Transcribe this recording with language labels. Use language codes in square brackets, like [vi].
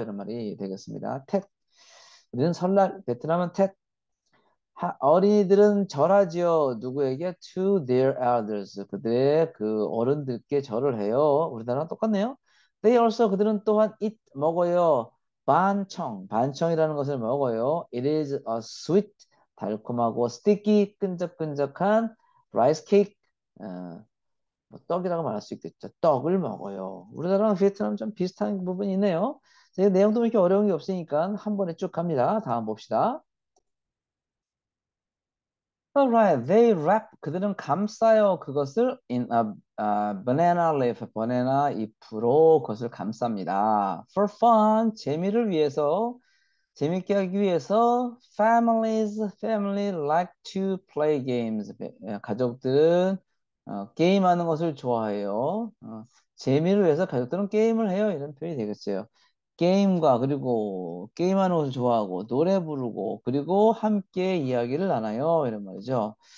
[ko] 이런 말이 되겠습니다. 텟. 우리는 설날, 베트남은 텟. 어린이들은 절하지요. 누구에게? [en] To their elders. [ko] 그들의 그 어른들께 절을 해요. 우리나라랑 똑같네요. [en] They also, [ko] 그들은 또한 [en] it [ko] 먹어요. 반청. 반청이라는 것을 먹어요. [en] It is a sweet, [ko] 달콤하고 [en] sticky, [ko] 끈적끈적한 [en] rice cake. [ko] 뭐 떡이라고 말할 수 있겠죠. 떡을 먹어요. 우리나라랑 베트남 좀 비슷한 부분이 있네요. 내용도 이렇게 어려운 게 없으니까 한 번에 쭉 갑니다. 다음 봅시다. [en] Alright, they wrap [ko] 그들은 감싸요 그것을 [en] in a banana leaf, [ko] 바나나 잎으로 그것을 감쌉니다. [en] For fun, [ko] 재미를 위해서, 재밌게 하기 위해서 [en] family like to play games. [ko] 가족들은 게임하는 것을 좋아해요. 재미를 위해서 가족들은 게임을 해요. 이런 표현이 되겠어요. 게임과 그리고 게임하는 것을 좋아하고 노래 부르고 그리고 함께 이야기를 나눠요. 이런 말이죠.